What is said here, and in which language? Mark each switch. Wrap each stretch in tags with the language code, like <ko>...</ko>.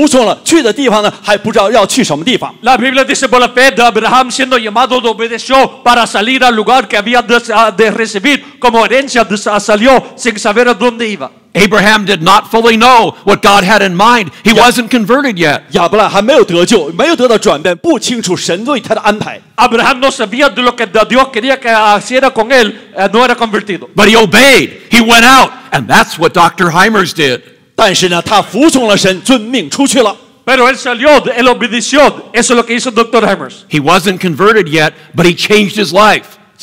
<zh>这个圣经这样讲的，亚伯兰因着信就服从了，去的地方呢，还不知道要去什么地方。</zh> <es>La Biblia dice por la fe de Abraham siendo llamado obedeció para salir al lugar que había de recibir como herencia salió sin saber a dónde iba.</es> <en>Abraham did not fully know what God had in mind. He wasn't converted yet.</en> <zh>亚伯兰还没有得救，没有得到转变，不清楚神对他的安排。</zh> <es>Abraham no sabía de lo que Dios quería que hiciera con él, no era convertido.</es> <en>But he obeyed. He went out, and that's what Dr. Hymers did.</en> <zh>但是呢，他服从了神，遵命出去了。</zh> <es>Pero él salió, él obedeció. Eso es lo que hizo Dr. Hymers.</es> <en>He wasn't converted yet, but he changed his life.</en>